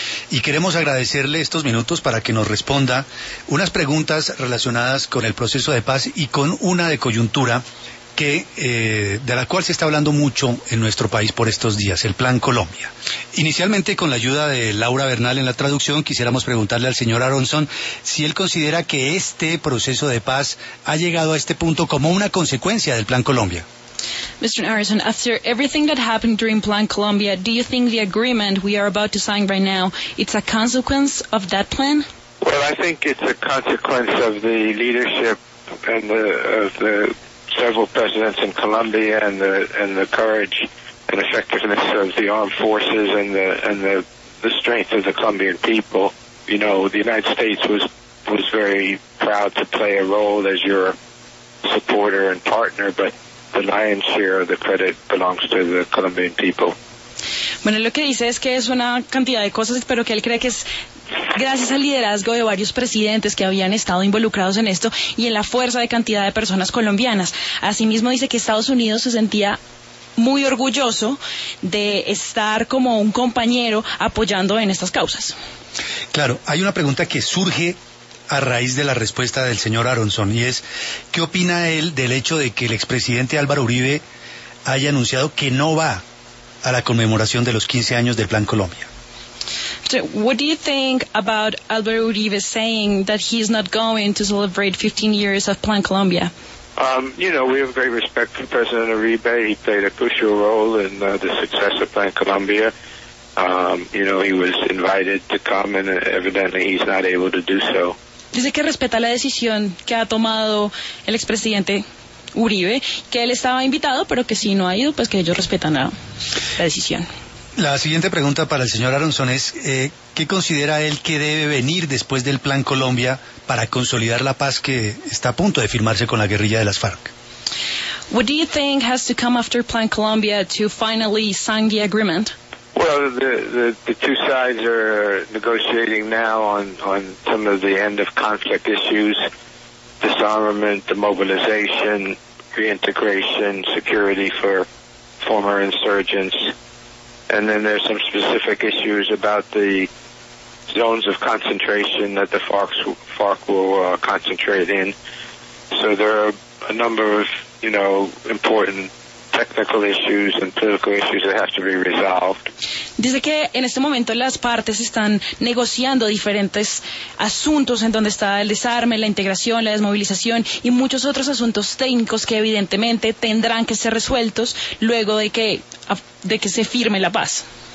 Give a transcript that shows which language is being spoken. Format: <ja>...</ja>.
<es>Y queremos agradecerle estos minutos para que nos responda unas preguntas relacionadas con el proceso de paz y con una de coyuntura que de la cual se está hablando mucho en nuestro país por estos días, el Plan Colombia. Inicialmente, con la ayuda de Laura Bernal en la traducción, quisiéramos preguntarle al señor Aronson si él considera que este proceso de paz ha llegado a este punto como una consecuencia del Plan Colombia.</es> <en>Mr. Aronson, after everything that happened during Plan Colombia, do you think the agreement we are about to sign right now, it's a consequence of that plan? Well, I think it's a consequence of the leadership and of the several presidents in Colombia and the courage and effectiveness of the armed forces and the strength of the Colombian people. You know, the United States was very proud to play a role as your supporter and partner, but the lion's share of the credit belongs to the Colombian people.</en> <es>Bueno, lo que dice es que es una cantidad de cosas, pero que él cree que es gracias al liderazgo de varios presidentes que habían estado involucrados en esto y en la fuerza de cantidad de personas colombianas. Asimismo, dice que Estados Unidos se sentía muy orgulloso de estar como un compañero apoyando en estas causas. Claro, hay una pregunta que surge a raíz de la respuesta del señor Aronson y es, ¿qué opina él del hecho de que el expresidente Álvaro Uribe haya anunciado que no va a la conmemoración de los 15 años del Plan Colombia?</es> <en>So what do you think about Álvaro Uribe saying that he is not going to celebrate 15 years of Plan Colombia? You know, we have great respect for President Uribe. He played a crucial role in the success of Plan Colombia. You know, he was invited to come and evidently he's not able to do so.</en> <es>Dice que respeta la decisión que ha tomado el expresidente Uribe, que él estaba invitado, pero que si no ha ido, pues que ellos respetan la decisión. La siguiente pregunta para el señor Aronson es, ¿qué considera él que debe venir después del Plan Colombia para consolidar la paz que está a punto de firmarse con la guerrilla de las FARC?</es> <en>What do you think has to come after Plan Colombia to finally sign the agreement? Well, the two sides are negotiating now on some of the end of conflict issues, disarmament, demobilization, reintegration, security for former insurgents. And then there's some specific issues about the zones of concentration that the FARC will concentrate in. So there are a number of, you know, important technical issues and political issues that have to be resolved.</en> <es>Dice que en este momento las partes están negociando diferentes asuntos en donde está el desarme, la integración, la desmovilización y muchos otros asuntos técnicos que evidentemente tendrán que ser resueltos luego de que se firme la paz.</es>